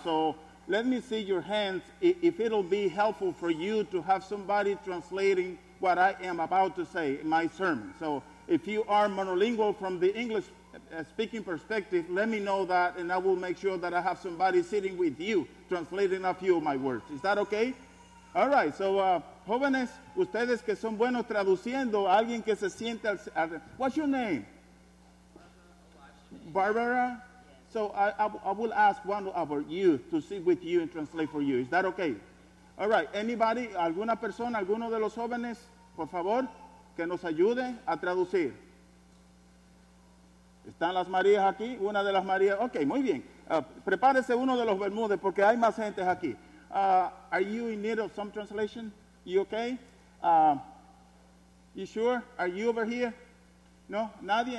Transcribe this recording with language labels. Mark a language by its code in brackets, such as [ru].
[en] So let me see your hands if it'll be helpful for you to have somebody translating what I am about to say in my sermon. So if you are monolingual from the English speaking perspective, let me know that and I will make sure that I have somebody sitting with you translating a few of my words. Is that okay? All right, so [es] jóvenes, ustedes que son buenos traduciendo, alguien que se siente al... [en] What's your name? Barbara? So I will ask one of our youth to sit with you and translate for you. Is that okay? All right, anybody, [es] alguna persona, alguno de los jóvenes, por favor, que nos ayude a traducir. ¿Están las Marías aquí? Una de las Marías. Okay, muy bien. Prepárese uno de los Bermúdez porque hay más gente aquí. [en] Are you in need of some translation? You okay? You sure? Are you over here? No? Nadie?